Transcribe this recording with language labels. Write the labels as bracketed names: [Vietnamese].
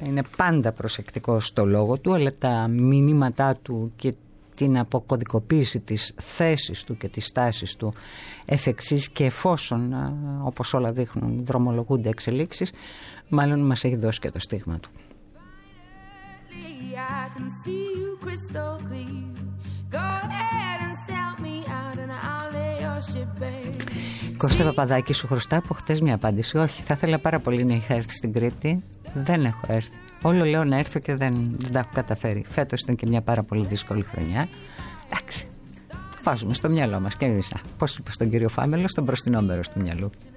[Greek] Είναι πάντα προσεκτικός στο λόγο του, αλλά τα μηνύματά του και την αποκωδικοποίηση της θέσης του και της τάσης του εφ' εξής και εφόσον, όπως όλα δείχνουν, δρομολογούνται εξελίξεις, μάλλον μας έχει δώσει και το στίγμα του. [English] I can see you crystal clear. Go ahead and sell me out and I'll lay your ship bare. [Greek] Κώστα Παπαδάκη, σου χρωστά από χτες μια απάντηση. Όχι, θα ήθελα πάρα πολύ να είχα έρθει στην Κρήτη. Δεν έχω έρθει. Όλο λέω να έρθω και δεν τα έχω καταφέρει. Φέτος ήταν και μια πάρα πολύ δύσκολη χρονιά. Εντάξει, το βάζουμε στο μυαλό μας και εμείς. Πώς είπε στον κύριο Φάμελο, στον μπροστινό μέρος του μυαλού.